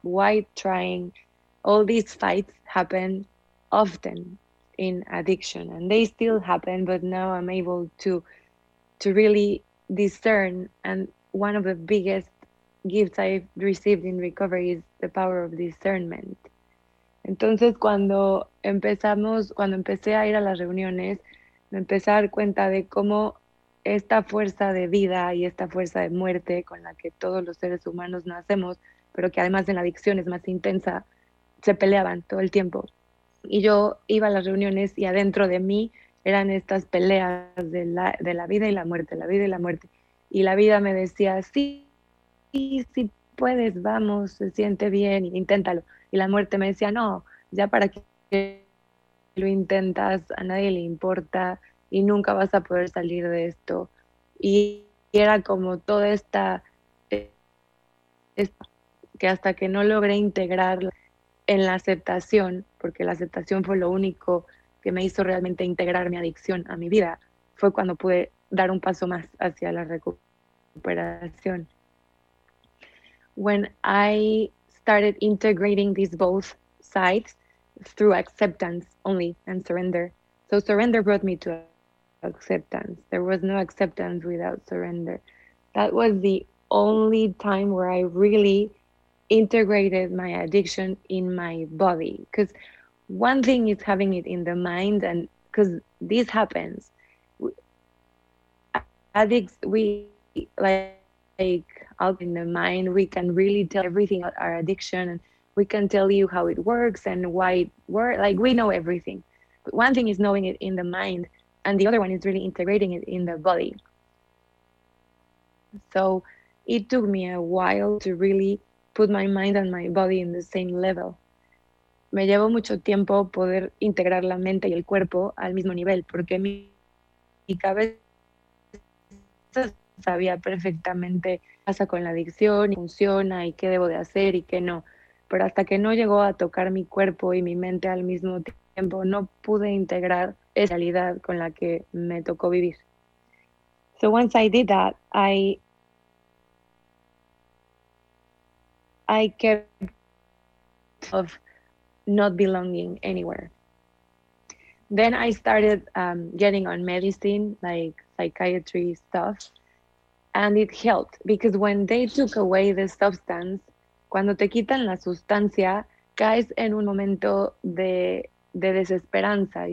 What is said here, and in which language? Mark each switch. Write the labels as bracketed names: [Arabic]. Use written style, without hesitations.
[English] Why trying? All these fights happen often in addiction, and they still happen, but now I'm able to really discern. And one of the biggest gifts I've received in recovery is the power of discernment. [Spanish] Entonces, cuando empecé a ir a las reuniones, me empecé a dar cuenta de cómo esta fuerza de vida y esta fuerza de muerte con la que todos los seres humanos nacemos, pero que además en la adicción es más intensa, se peleaban todo el tiempo. Y yo iba a las reuniones y adentro de mí eran estas peleas de la vida y la muerte, la vida y la muerte. Y la vida me decía, sí, sí, sí puedes, vamos, se siente bien, inténtalo. Y la muerte me decía, no, ya para qué lo intentas, a nadie le importa. Y nunca vas a poder salir de esto. Y era como toda esta que hasta que no logré integrarlo en la aceptación, porque la aceptación fue lo único que me hizo realmente integrar mi adicción a mi vida, fue cuando pude dar un paso más hacia la recuperación. [English] When I started integrating these both sides through acceptance only and surrender. So surrender brought me to acceptance. There was no acceptance without surrender. That was the only time where I really integrated my addiction in my body. Because one thing is having it in the mind, and because this happens, addicts, we like out in the mind, we can really tell everything about our addiction, and we can tell you how it works and why it works. Like, we know everything. But one thing is knowing it in the mind, and the other one is really integrating it in the body. So it took me a while to really put my mind and my body in the same level. [Spanish] Me llevó mucho tiempo poder integrar la mente y el cuerpo al mismo nivel, porque mi cabeza sabía perfectamente qué pasa con la adicción, y funciona y qué debo de hacer y qué no. Pero hasta que no llegó a tocar mi cuerpo y mi mente al mismo tiempo, no pude integrar esa realidad con la que me tocó vivir. [English] So once I did that, I kept of not belonging anywhere. Then I started getting on medicine, like psychiatry stuff, and it helped because when they took away the substance, [Spanish] cuando te quitan la sustancia, caes en un momento de desesperanza.